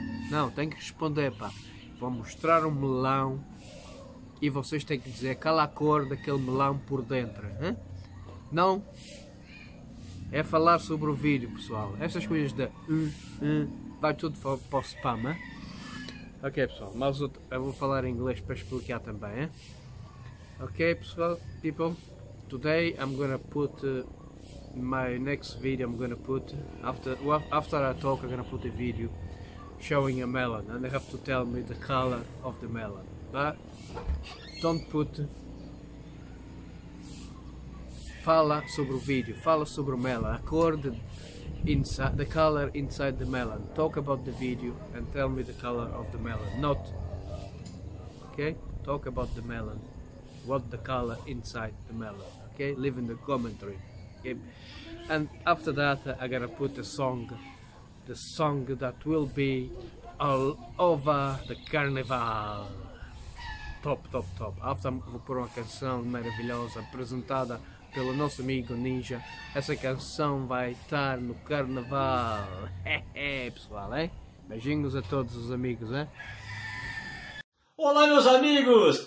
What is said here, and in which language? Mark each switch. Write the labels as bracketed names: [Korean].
[Portuguese] Não, tem que responder, pá. Vou mostrar um melão e vocês têm que dizer qual a cor daquele melão por dentro, hein? Não é falar sobre o vídeo, pessoal. Essas coisas de vai tudo para o spam, hein? Ok, pessoal, mas eu vou falar em inglês para explicar também, hein? [English] Ok, pessoal, people, today I'm gonna put my next video. I'm gonna put after I talk, I'm gonna put a video showing a melon, and they have to tell me the color of the melon. But don't put. [Portuguese] Fala sobre o vídeo, fala sobre o melon, a cor inside, [English] the color inside the melon. Talk about the video and tell me the color of the melon. Not. Okay? Talk about the melon, what the color inside the melon. Okay? Leave in the commentary. Okay? And after that, I gotta put a song. The song that will be all over the carnival. Top, top, top. [Portuguese] After vou pôr uma canção maravilhosa apresentada pelo nosso amigo Ninja. Essa canção vai estar no carnaval. Pessoal, hein? Beijinhos a todos os amigos, hein? Olá, meus amigos!